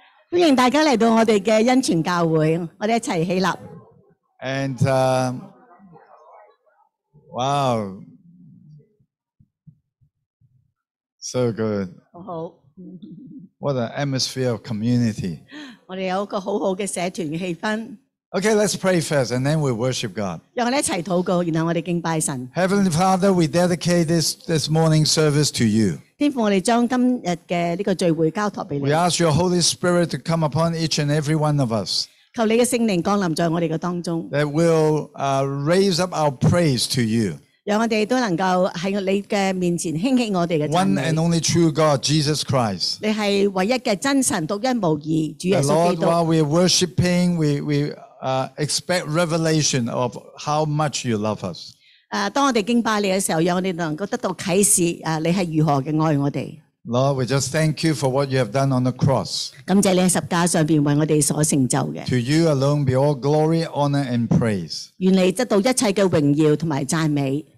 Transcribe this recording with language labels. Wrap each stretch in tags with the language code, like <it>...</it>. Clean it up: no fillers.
<zh>欢迎大家来到我们的恩泉教会，我们一起起立。</zh> <en>And, wow. So good.</en> <zh>好好。</zh> <en>What an atmosphere of community.</en> <zh>我们有一个很好的社团气氛。</zh> <en>Okay, let's pray first and then we worship God.</en> <zh>让我们一起祷告，然后我们敬拜神。</zh> <en>Heavenly Father, we dedicate this morning service to you.</en> <zh>天父，我们将今日的这个聚会交托给你。</zh> <en>We ask your Holy Spirit to come upon each and every one of us.</en> <zh>求你的圣灵降临在我们的当中。</zh> <en>That will raise up our praise to you.</en> <zh>让我们都能够在你的面前兴起我们的赞美。</zh> <en>One and only true God, Jesus Christ.</en> <zh>你是唯一的真神，独一无二，主耶稣基督。</zh> <en>Lord, while we are worshiping, we expect revelation of how much you love us.</en> <zh>当我们敬拜你的时候，让我们能够得到启示，你是如何的爱我们。</zh> <en>Lord, we just thank you for what you have done on the cross.</en> <zh>感谢你在十字架上面为我们所成就的。</zh> <en>To you alone be all glory, honor, and praise.</en> <zh>愿你得到一切的荣耀和赞美。</zh>